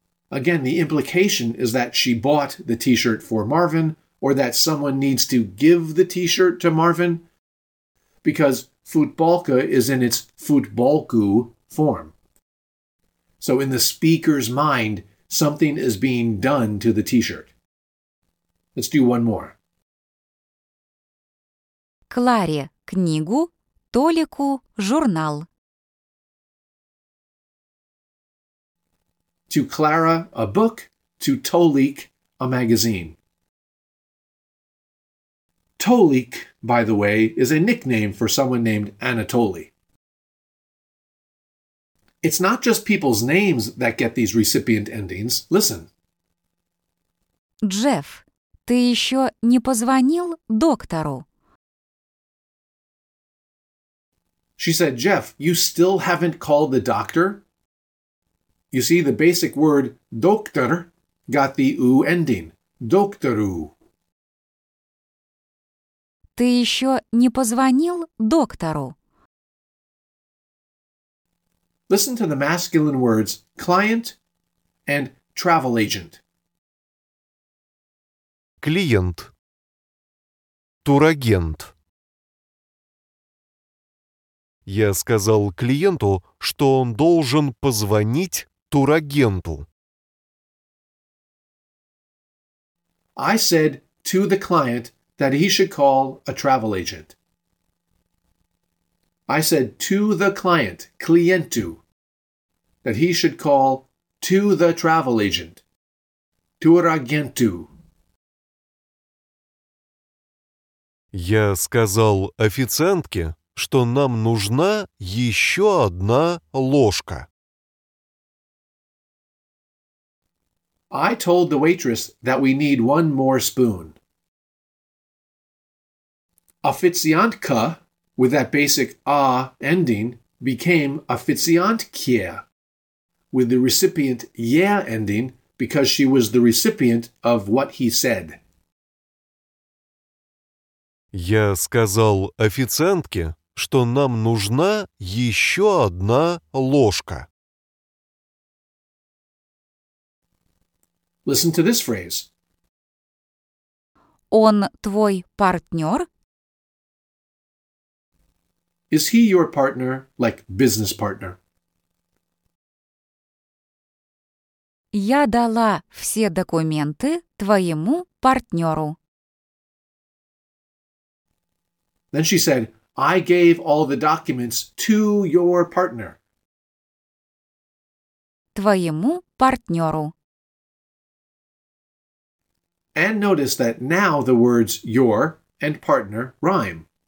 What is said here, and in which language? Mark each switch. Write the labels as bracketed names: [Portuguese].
[English] Again, the implication is that she bought the t-shirt for Marvin, or that someone needs to give the t-shirt to Marvin, because futbolka is in its futbolku form. So in the speaker's mind, something is being done to the t-shirt. Let's do one more. [Russian] Кларе книгу, Толику журнал. [English] To Clara a book, to Tolik a magazine. Tolik, by the way, is a nickname for someone named Anatoly. It's not just people's names that get these recipient endings. Listen. [Russian] Джефф, ты еще не позвонил доктору? [English] She said, Jeff, you still haven't called the doctor? You see, the basic word doktor got the u ending. [Russian] Доктору. Ты еще не позвонил доктору? [English] Listen to the masculine words client and travel agent. [Russian] Клиент. Турагент. Я сказал клиенту, что он должен позвонить турагенту. [English] I said to the client that he should call a travel agent. I said to the client, клиенту, that he should call to the travel agent, турагенту. [Russian] Я сказал официантке, что нам нужна еще одна ложка. [English] I told the waitress that we need one more spoon. Официантка, with that basic a ending, became официантке, with the recipient я ending, because she was the recipient of what he said. [Russian] Я сказал официантке, что нам нужна еще одна ложка. [English] Listen to this phrase. [Russian] Он твой партнер? [English] Is he your partner, like business partner? [Russian] Я дала все документы твоему партнеру. [English] Then she said, I gave all the documents to your partner. [Russian] Твоему партнеру. [English] And notice that now the words your and partner rhyme.